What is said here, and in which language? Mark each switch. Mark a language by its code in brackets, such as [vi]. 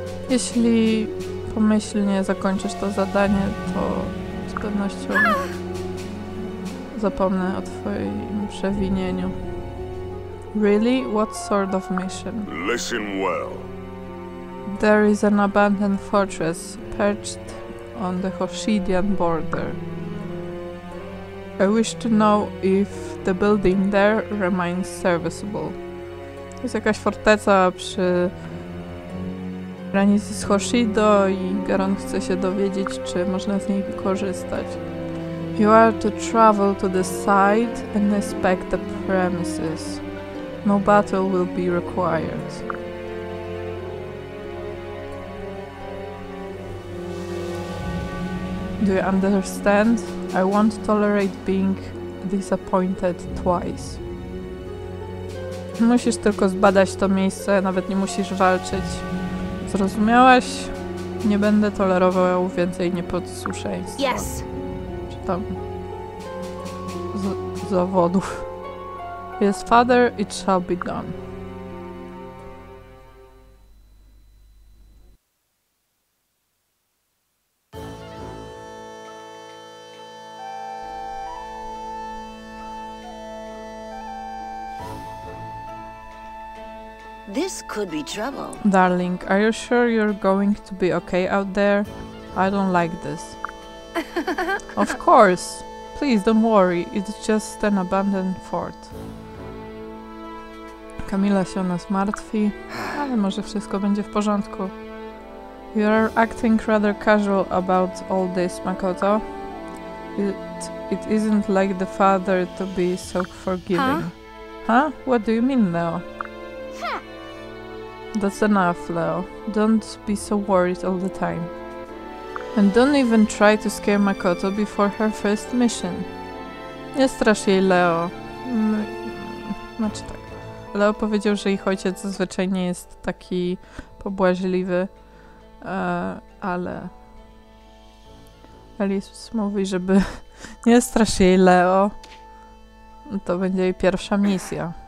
[pl] Jeśli pomyślnie zakończysz to zadanie, to z pewnością... Zapomnę o twoim przewinieniu. [en] Really? What sort of mission? Listen well. There is an abandoned fortress perched on the Hoshidian border. I wish to know if the building there remains serviceable. [pl] To jest jakaś forteca przy granicy z Hoshido i Garon chce się dowiedzieć, czy można z niej korzystać. [en] You are to travel to the site and inspect the premises. No battle will be required. Do you understand? I won't tolerate being disappointed twice. [pl] Musisz tylko zbadać to miejsce, nawet nie musisz walczyć. Zrozumiałaś? Nie będę tolerował więcej nieposłuszeństwa. [en] Yes. [pl] Tam z zawodów. [en] Yes, father, it shall be done. This could be trouble. Darling, are you sure you're going to be okay out there? I don't like this. Of course. Please don't worry. It's just an abandoned fort. [pl] Kamila się o nas martwi, ale może wszystko będzie w porządku. [en] You are acting rather casual about all this, Makoto. It isn't like the father to be so forgiving. Huh? What do you mean, Leo? That's enough, Leo. Don't be so worried all the time. And don't even try to scare Makoto before her first mission. [pl] Nie strasz jej, Leo. Znaczy tak. Leo powiedział, że ich ojciec zazwyczaj nie jest taki pobłażliwy, ale... Alice mówi, żeby... Nie strasz jej, Leo. To będzie jej pierwsza misja.